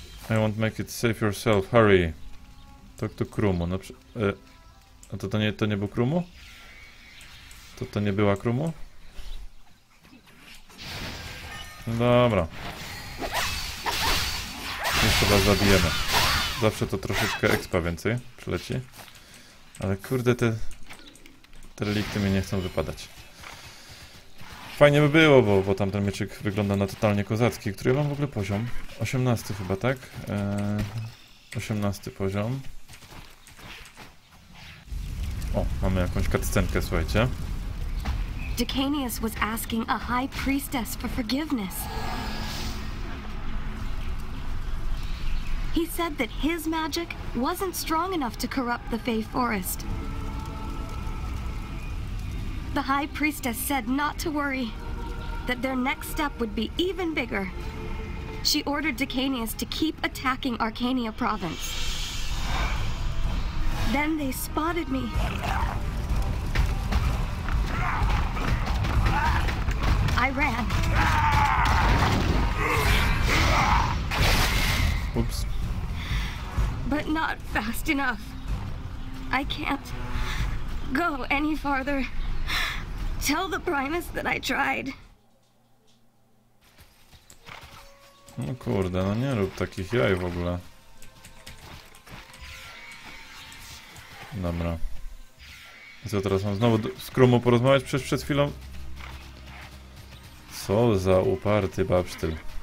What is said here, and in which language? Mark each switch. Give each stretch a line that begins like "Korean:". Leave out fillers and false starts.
English: I won't make it safe yourself, hurry. Talk to Krumu,
Polish: no a to nie był Krumu? To nie była Krumu? Dobra. Jeszcze raz zabijemy. Zawsze to troszeczkę expa więcej przyleci. Ale kurde, te relikty mnie nie chcą wypadać. Fajnie by było, bo tamten mieczyk wygląda na totalnie kozacki, który mam w ogóle poziom. 18 chyba, tak? 18 poziom. O, mamy jakąś cutscenkę, słuchajcie.
English: Decanius was asking a high priestess for forgiveness. He said that his magic wasn't strong enough to corrupt the Fey Forest. The High Priestess said not to worry, that their next step would be even bigger. She ordered Decanius to keep attacking Arcania Province. Then they spotted me. I ran. Oops. But not fast enough. I can't go any farther. Tell the Primus that I tried.
Polish: No kurde, no nie rób takich jaj w ogóle. Dobra. Co teraz mam znowu z Krumu porozmawiać przed chwilą? Co za uparty babsztyl.